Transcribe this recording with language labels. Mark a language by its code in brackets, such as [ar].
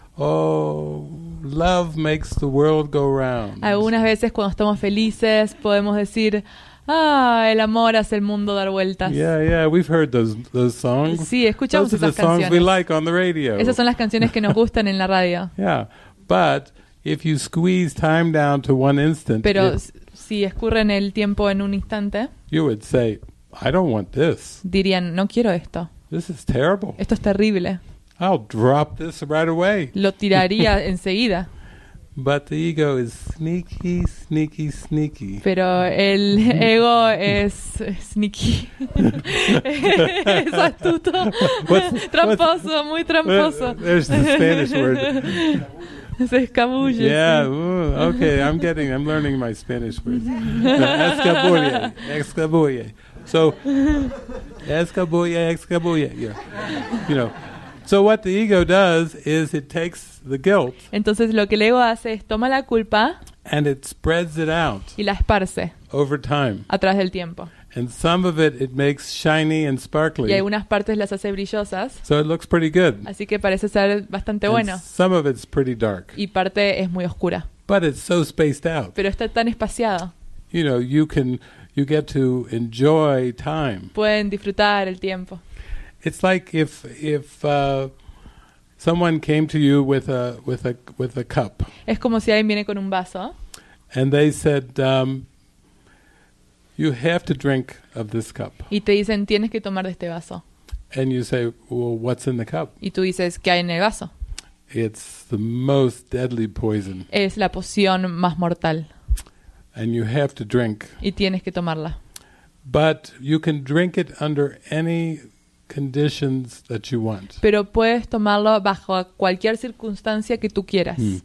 [en] Oh, love makes the world go round. [es] Algunas veces cuando estamos felices podemos decir, ah, el amor hace el mundo dar vueltas. [en] Yeah, we've heard those songs. [es] Sí, escuchamos [en] those [es] esas [en] the [es] canciones. [en] Songs we like on the radio. [es] Esas son las canciones que nos gustan en la radio. [en] Yeah, but if you squeeze time down to one instant, [es] pero si escurren el tiempo en un instante, [en] you would say, I don't want this. [es] Dirían, no quiero esto. [en] This is terrible. [es] Esto es terrible. [en] I'll drop this right away. [es] Lo tiraría enseguida. [en] But the ego is sneaky, sneaky, sneaky. [es] Pero el ego es sneaky. Es astuto. Tramposo, muy tramposo. [en] There's the Spanish word. [es] Se escabulle. [en] Yeah, okay, I'm learning my Spanish words. [es] Escabulle, escabulle. So, escabulle, escabulle. [en] Yeah. You know. So what the ego does is it takes the guilt. [es] Entonces lo que el ego hace es toma la culpa. [en] And it spreads it out. [es] Y la esparce. [en] Over time. [es] A través del tiempo. [en] And some of it makes shiny and sparkly. [es] Y algunas partes las hace brillosas. [en] So it looks pretty good. [es] Así que parece ser bastante [en] and [es] bueno. [en] Some of it's pretty dark. [es] Y parte es muy oscura. [en] But it's so spaced out. [es] Pero está tan espaciado. [en] You know, you get to enjoy time. [es] Pueden disfrutar el tiempo. [en] It's like if someone came to you with a cup. [es] Es como si alguien viene con un vaso. [en] And they said you have to drink of this cup. [es] Y te dicen tienes que tomar de este vaso. [en] And you say, well, what's in the cup? [es] Y tú dices, ¿qué hay en el vaso? [en] It's the most deadly poison. [es] Es la poción más mortal. [en] And you have to drink. [es] Y tienes que tomarla. [en] But you can drink it under any conditions that you want. [es] Pero puedes tomarlo bajo cualquier circunstancia que tú quieras.